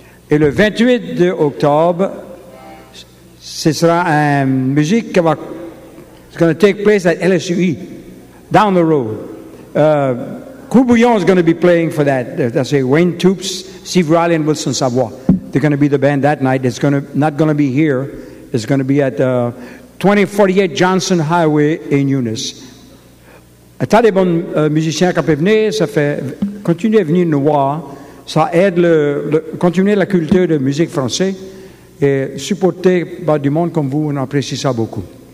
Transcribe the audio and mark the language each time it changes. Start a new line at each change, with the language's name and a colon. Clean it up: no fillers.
French: Et le 28 d'octobre, ce sera une musique qui va...
English: It's going to take place at LSUE, down the road. Cool Bouillon is going to be playing for that. That's a Wayne Toops, Steve Riley and Wilson Savoy. They're going to be the band that night. It's going to not going to be here. It's going to be at 2048 Johnson Highway in Eunice.
French: A tas de bons musiciens qui peuvent venir. Ça fait continuer à venir nous voir. Ça aide le continuer la culture de musique française et supporter par du monde comme vous. On apprécie ça beaucoup.